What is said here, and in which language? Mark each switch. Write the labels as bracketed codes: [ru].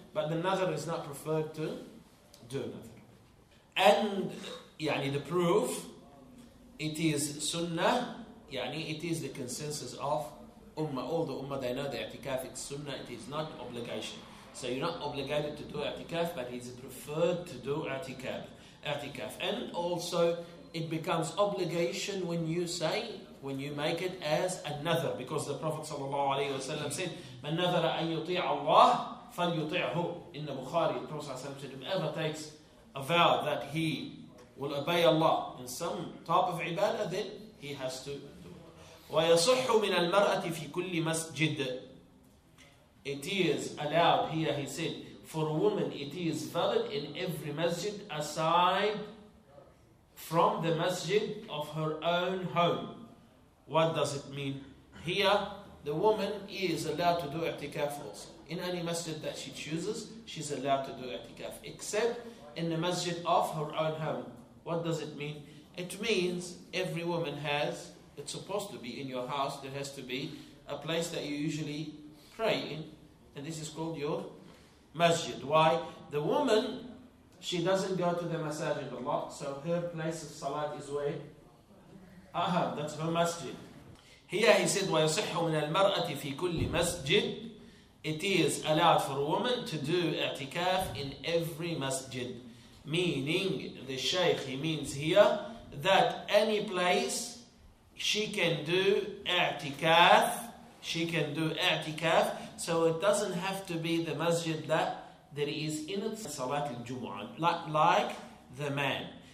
[en] But the nadhar is not preferred to do nadhar. And yani the proof, it is sunnah, yani it is the consensus of ummah. All the ummah, they know the i'tikaf, it's sunnah, it is not obligation. So you're not obligated to do i'tikaf, but it's preferred to do i'tikaf. And also, it becomes obligation when you say, when you make it as another. Because the Prophet ﷺ said, [ar] مَن نَذَرَ أَن يُطِيعَ اللَّهِ فَلْيُطِيعْهُ. [en] In the Bukhari, the Prophet ﷺ said, whoever takes a vow that he will obey Allah in some type of ibadah, then he has to do it. [ar] وَيَصُحُّ مِنَ الْمَرْأَةِ فِي كُلِّ مَسْجِدٍ. [en] It is allowed, here he said, For a woman, it is valid in every masjid aside from the masjid of her own home. What does it mean? Here, the woman is allowed to do i'tikaf also. In any masjid that she chooses, she's allowed to do i'tikaf, except in the masjid of her own home. What does it mean? It means every woman has, it's supposed to be in your house, there has to be a place that you usually pray in, and this is called your masjid. Why? The woman, she doesn't go to the masjid a lot, so her place of salat is where? Aha, that's her masjid. Here he said, [ar] وَيَصِحُّ مِنَ الْمَرْأَةِ فِي كُلِّ مَسْجِدِ. [en] It is allowed for a woman to do i'tikaf in every masjid. Meaning, the shaykh, he means here, that any place she can do i'tikaf, she can do i'tikaf, so it doesn't have to be the masjid that there is in it salat al-jum'ah, like the man.